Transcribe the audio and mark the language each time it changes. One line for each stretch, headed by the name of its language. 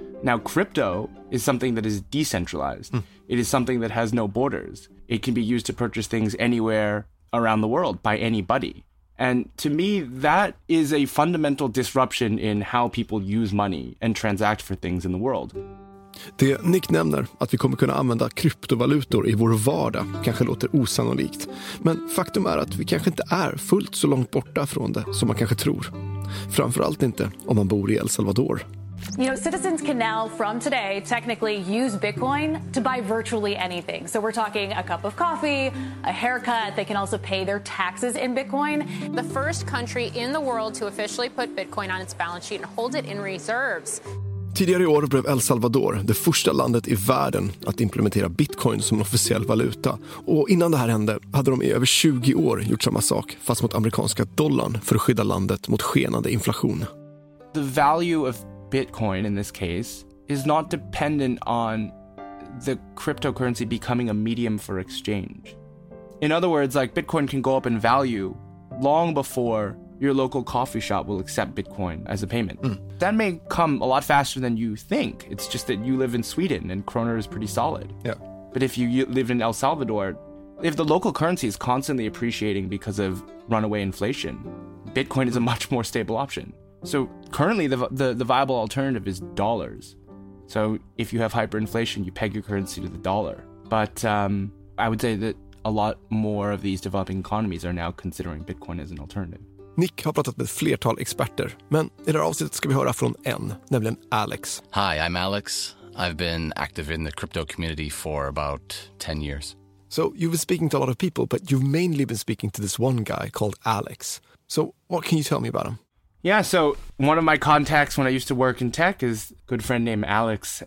English: Now, crypto is something that is decentralized. It is something that has no borders. It can be used to purchase things anywhere around the world by anybody. And to me, that is a fundamental disruption in how people use money and transact for things in the world.
Swedish: Det Nick nämner, att vi kommer kunna använda kryptovalutor i vår vardag, kanske låter osannolikt. Men faktum är att vi kanske inte är fullt så långt borta från det som man kanske tror. Framförallt inte om man bor i El Salvador.
English: You know, citizens can now, from today, technically use Bitcoin to buy virtually anything. So we're talking a cup of coffee, a haircut. They can also pay their taxes in Bitcoin. The first country in the world to officially put Bitcoin on its balance sheet and hold it in reserves.
Swedish: Tidigare i år blev El Salvador det första landet i världen att implementera Bitcoin som en officiell valuta. Och innan det här hände hade de i över 20 år gjort samma sak, fast mot amerikanska dollarn, för att skydda landet mot skenande inflation.
English: The value of Bitcoin in this case is not dependent on the cryptocurrency becoming a medium for exchange. In other words, like, Bitcoin can go up in value long before your local coffee shop will accept Bitcoin as a payment. That may come a lot faster than you think. It's just that you live in Sweden and kroner is pretty solid. Yeah. But if you live in El Salvador, if the local currency is constantly appreciating because of runaway inflation, Bitcoin is a much more stable option. So currently the viable alternative is dollars. So if you have hyperinflation, you peg your currency to the dollar. But I would say that a lot more of these developing economies are now considering Bitcoin as an alternative.
Swedish: Nick har pratat med flertal experter, men i det här avsnittet ska vi höra från en, nämligen Alex.
English: Hi, I'm Alex. I've been active in the crypto community for about 10 years. So you've been speaking to a lot of people, but you've mainly been speaking to this one guy called Alex. So what can you tell me about him? Yeah, so one of my contacts when I used to work in tech is a good friend named Alex.